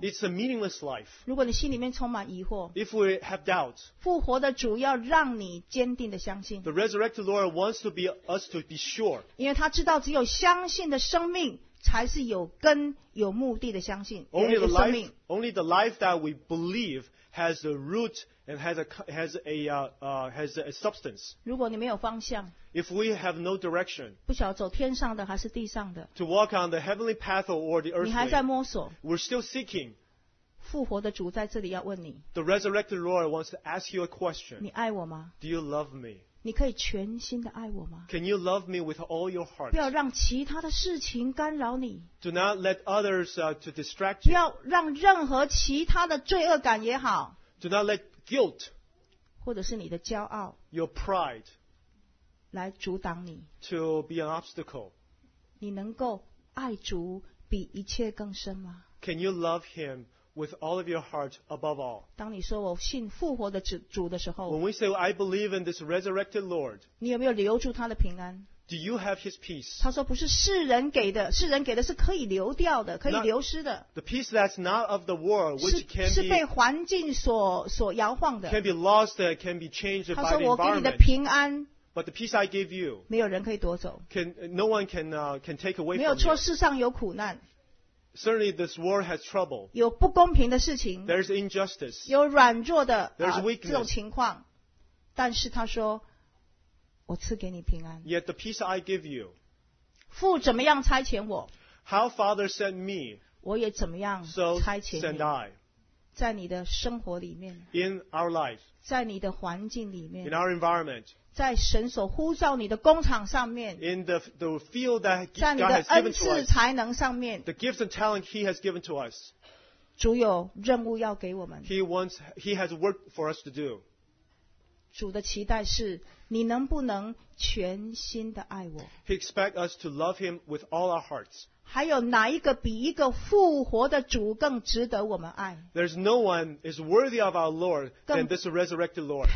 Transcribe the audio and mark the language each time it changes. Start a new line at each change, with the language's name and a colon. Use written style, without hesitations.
English: It's a meaningless life.
Chinese: 如果你心里面充满疑惑，
English: If we have doubts,
Chinese: 复活的主要让你坚定的相信。
English: The resurrected Lord wants to be us to be sure.
Chinese: 因为他知道只有相信的生命。才是有根有目的的相信。
English: Only the life that we believe has a root and has a substance.
Chinese: 如果你没有方向，
English: if we have no direction,
Chinese: 不晓得走天上的还是地上的，
English: to walk on the heavenly path or the earthly,
Chinese: 你还在摸索，
English: we're still seeking.
Chinese: 复活的主在这里要问你，
English: the resurrected Lord wants to ask you a question.
Chinese: 你爱我吗？
English: Do you love me?
Chinese: 你可以全心的爱我吗？
English: Can you love me with all your heart?
Chinese: 不要让其他的事情干扰你。
English: Do not let others to distract you.
Chinese: 不要让任何其他的罪恶感也好。
English: Do not let guilt.
Chinese: 或者是你的骄傲。
English: Your pride.
Chinese: 来阻挡你。
English: To be an obstacle.
Chinese: 你能够爱主比一切更深吗？
English: Can you love him? With all of your heart, above all.
Chinese: 当你说我信复活的主的时候，
English: When we say I believe in this resurrected Lord,
Chinese: 你有没有留住他的平安？
English: Do you have His peace?
Chinese: 他说不是世人给的，世人给的是可以流掉的，可以流失的。
English: The peace that's not of the world, which can be
Chinese: 是被环境所摇晃的。
English: Can be lost, can be changed by the environment.
Chinese: 他说我给你的平安。
English: But the peace I give you,
Chinese: 没有人可以夺走。
English: No one can take away from you.
Chinese: 没有错，世上有苦难。
English: Certainly, this world has trouble.
Chinese: 有不公平的事情。
English: There's injustice.
Chinese: 有软弱的。
English: There's weakness.
Chinese: 这种情况，但是他说，我赐给你平安。
English: Yet the peace I give you.
Chinese: 父怎么样差遣我
English: ？How Father sent me.
Chinese: 我也怎么样差遣你
English: ？So send I.
Chinese: 在你的生活里面。
English: In our life.
Chinese: 在你的环境里面。
English: In our environment.
Chinese: 在神所呼召你的工厂上面。
English: In the field that God has given to us.
Chinese: 在你的恩赐才能上面。
English: The gifts and talent He has given to us.
Chinese: 主有任务要给我们。
English: He has work for us to do.
Chinese: 主的期待是你能不能全心的爱我。
English: He expects us to love Him with all our hearts.
Chinese: 还有哪一个比一个复活的主更值得我们爱？
English: There's no one is worthy of our Lord than this resurrected Lord.